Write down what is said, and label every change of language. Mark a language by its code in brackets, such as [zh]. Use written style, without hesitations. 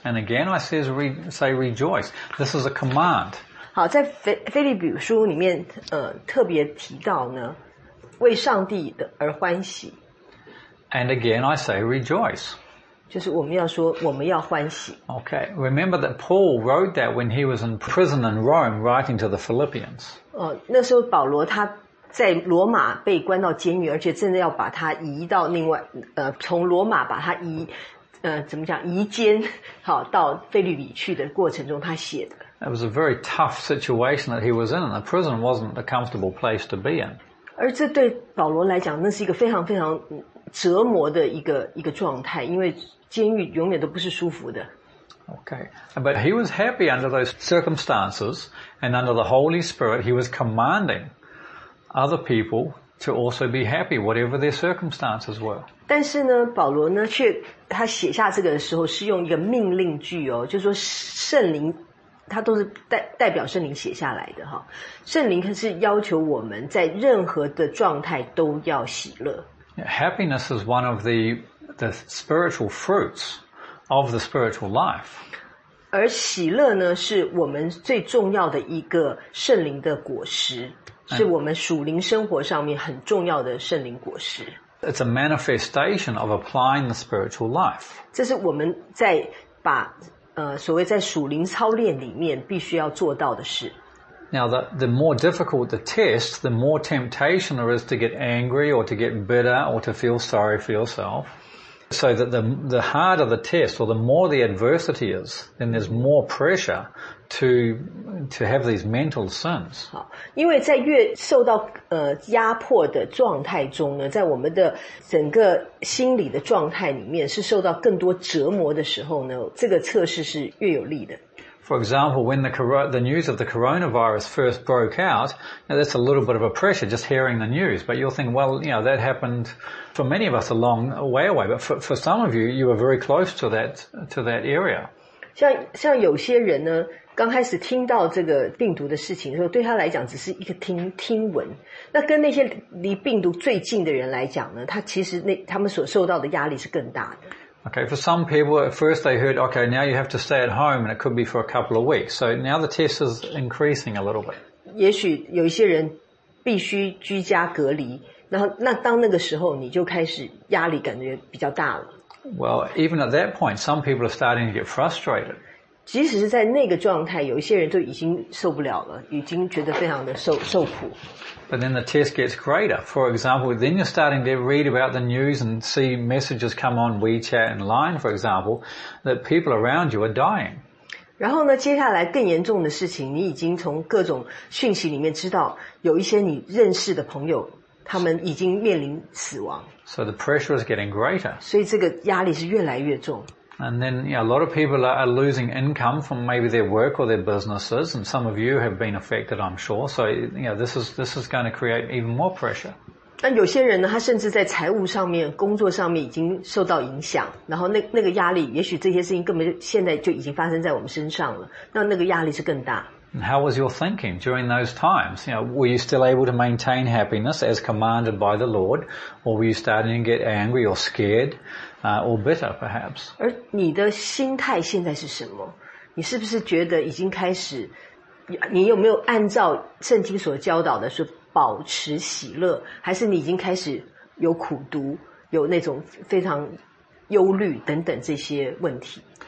[en] And again, I say rejoice. This is a command. [zh] 好，在腓立比书里面，特别提到呢，为上帝而欢喜。 [en] And again, I say rejoice. [zh] 就是我们要说我们要欢喜。 [en] Okay, remember that Paul wrote that when he was in prison in Rome, writing to the Philippians. [zh] 那时候保罗他在罗马被关到监狱，而且真的要把他移到另外，从罗马把他移监，好到腓立比去的过程中，他写的。 [en] It was a very tough situation that he was in, and the prison wasn't a comfortable place to be in. [zh] 而这对保罗来讲，那是一个非常非常。折磨的一个状态，因为监狱永远都不是舒服的。 [en] Okay, but he was happy under those circumstances, and under the Holy Spirit, he was commanding other people to also be happy, whatever their circumstances were. [zh] 但是呢，保罗呢，却他写下这个的时候是用一个命令句哦，就是说圣灵它都是代表圣灵写下来的，圣灵是要求我们在任何的状态都要喜乐。 [en] Happiness is one of the spiritual fruits of the spiritual life. [zh] 而喜乐呢，是我们最重要的一个圣灵的果实，是我们属灵生活上面很重要的圣灵果实。 [en] It's a manifestation of applying the spiritual life. [zh] 这是我们在把所谓在属灵操练里面必须要做到的事。 [en] Now the more difficult the test, the more temptation there is to get angry or to get bitter or to feel sorry for yourself. So that the harder the test or the more the adversity is, then there's more pressure to have these mental sins. [zh] 好，因为在越受到压迫的状态中呢，在我们的整个心理的状态里面是受到更多折磨的时候呢，这个测试是越有力的。 [en] For example, when the news of the coronavirus first broke out, now that's a little bit of a pressure just hearing the news. But you'll think, well, you know, that happened for many of us a long way away. But for some of you, you were very close to that area. [zh] 像有些人呢，刚开始听到这个病毒的事情的时候，对他来讲只是一个听闻。那跟那些离病毒最近的人来讲呢，他们所受到的压力是更大的。 [en] Okay, for some people, at first they heard, okay, now you have to stay at home, and it could be for a couple of weeks. So now the test is increasing a little bit. [zh] 也许有一些人必须居家隔离，然后那当那个时候你就开始压力感觉比较大了。 [en] Well, even at that point, some people are starting to get frustrated. [zh] 即使是在那个状态，有一些人就已经受不了了，已经觉得非常的受苦。 [en] But then the test gets greater. For example, then you're starting to read about the news and see messages come on WeChat and Line, for example, that people around you are dying. [zh] 然后呢，接下来更严重的事情，你已经从各种讯息里面知道，有一些你认识的朋友，他们已经面临死亡。 [en] So the pressure is getting greater. [zh] 所以这个压力是越来越重。 [en] And then, you know, a lot of people are losing income from maybe their work or their businesses, and some of you have been affected, I'm sure. So, you know, this is going to create even more pressure. [zh] 那有些人呢，他甚至在财务上面、工作上面已经受到影响，然后那个压力，也许这些事情根本就现在就已经发生在我们身上了，那个压力是更大。 [en] And how was your thinking during those times? You know, were you still able to maintain happiness as commanded by the Lord, or were you starting to get angry or scared? Or bitter, perhaps. [zh] 而你的心态现在是什么？你是不是觉得已经开始？你有没有按照圣经所教导的是保持喜乐？还是你已经开始有苦读，有那种非常忧虑等等这些问题？